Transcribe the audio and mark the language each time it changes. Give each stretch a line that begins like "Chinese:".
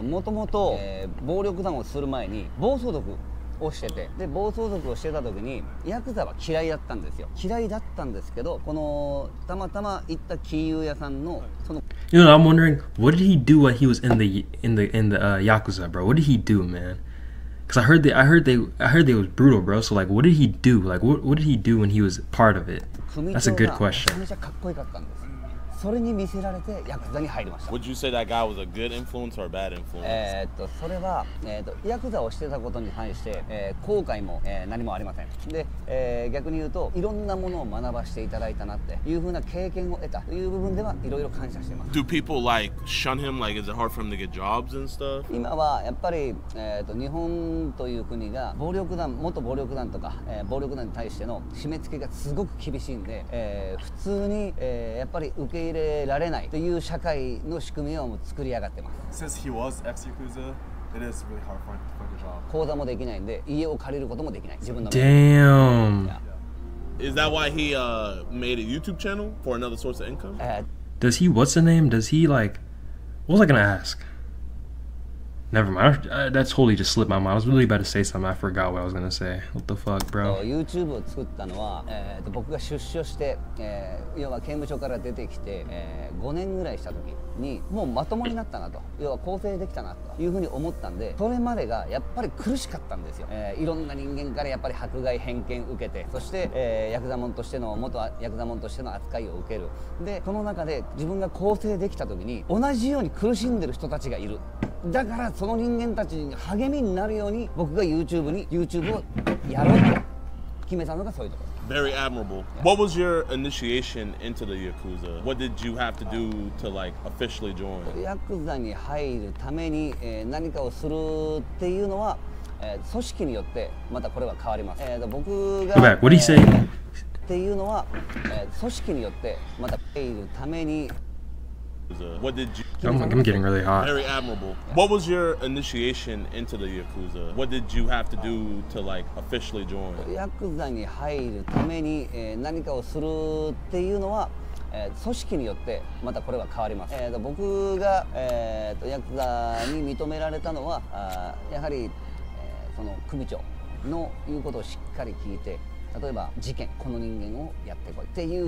Japanese: もともと暴力団をする前に暴走族をしてて、で暴走族をしてた時にヤクザは嫌いだったんですよ。嫌いだったんですけど、このたまたま行った金融屋さんのその。
English: You know, I'm wondering what did he do when he was in the Yakuza, bro? What did he do, man? Because I heard they was brutal, bro. So like, what did he do? Like, what did he do when he was part of it? That's a good question.
Japanese: めちゃかっこよかったんです。それに見せられてヤクザに入りました。
English: Would you say that guy was a good influence or a bad influence?
Japanese: それは、ヤクザをしてたことに対して、後悔も、何もありません。で、逆に言うと、いろんなものを学ばせていただいたなっていうふうな経験を得たという部分ではいろいろ感謝しています。
English: Do people like shun him? Like, is it hard for him to get jobs and stuff?
Japanese: 今はやっぱり、日本という国が暴力団、元暴力団とか、暴力団に対しての締め付けがすごく厳しいんで、普通に、やっぱり受け入れられないという社会の仕組みを作り上がってます。
English: Since he was ex-Yakuza, it is really hard for him to find a job.
Japanese: 口座もできないんで、家を借りることもできない。自分の。
English: Damn. Yeah. Is that why he made a YouTube channel for another source of income? Does he? What's the name? Does he like? What was I gonna ask? Never mind. That totally just slipped my mind. I was really about to say something. I forgot what I was gonna say. What the fuck, bro?
Japanese: YouTube を作ったのは、僕が出所して、要は刑務所から出てきて、5年ぐらいした時に、もうまともになったなと、要は更生できたなというふうに思ったんで、それまでがやっぱり苦しかったんですよ。いろんな人間からやっぱり迫害偏見受けて、そして、ヤクザモンとしての元ヤクザモンとしての扱いを受ける。で、その中で自分が更生できた時に、同じように苦しんでる人たちがいる。だからその人間たちに励みになるように、僕が YouTube をやろうと決決めたのがそういうところ。
English: Very admirable. Yeah. What was your initiation into the Yakuza? What did you have to do to like officially join?
Japanese: Yakuza に入るために、何かをするっていうのは、組織によってまたこれは変わります。僕が、
English: Go back. What did he say?
Japanese: っていうのは、組織によってまた入るために。
English: What did you, I'm getting really hot. Very admirable. Yeah. What was your initiation into the Yakuza? What did you have to do to like officially join?
Japanese: Yakuza に入るために、何かをするっていうのは、組織によってまたこれは変わります。僕が、ヤクザに認められたのは、やはり、その組長の言うことをしっかり聞いて、例えば事件、この人間をやってこいっていう